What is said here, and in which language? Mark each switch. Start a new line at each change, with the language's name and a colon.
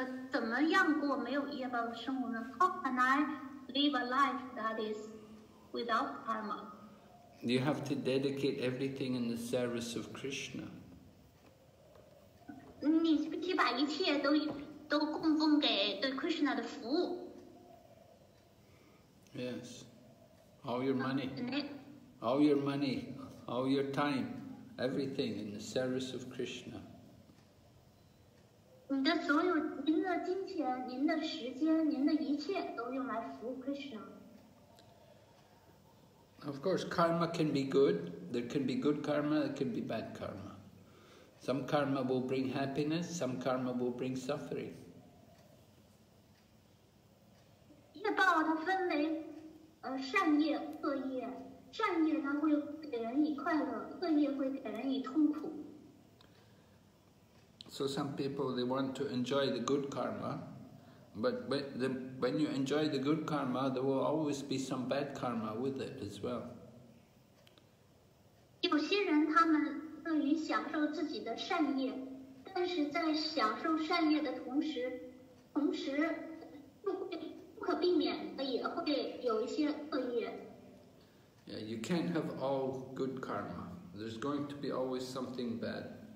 Chinese: 怎么样过没有业报的生活呢？
English: How can I live a life that is... without karma. You have to dedicate everything in the service of Krishna.
Chinese: 你必须把一切都供奉给对 Krishna 的服务。
English: Yes. All your money. All your money, all your time, everything in the service of Krishna.
Chinese: 你的所有金钱都钱、您的时间、您的一切都用来服务 Krishna。
English: Of course, karma can be good. There can be good karma, there can be bad karma. Some karma will bring happiness, some karma will bring suffering.
Chinese: 业报它分为善业、恶业。善业它会给人以快乐，恶业会给人以痛苦。
English: So some people, they want to enjoy the good karma, but when you enjoy the good karma, there will always be some bad karma with it as well.
Chinese: 有些人他们乐于享受自己的善业，但是在享受善业的同时又会不可避免的也会有一些恶业。
English: Yeah, you can't have all good karma. There's going to be always something bad.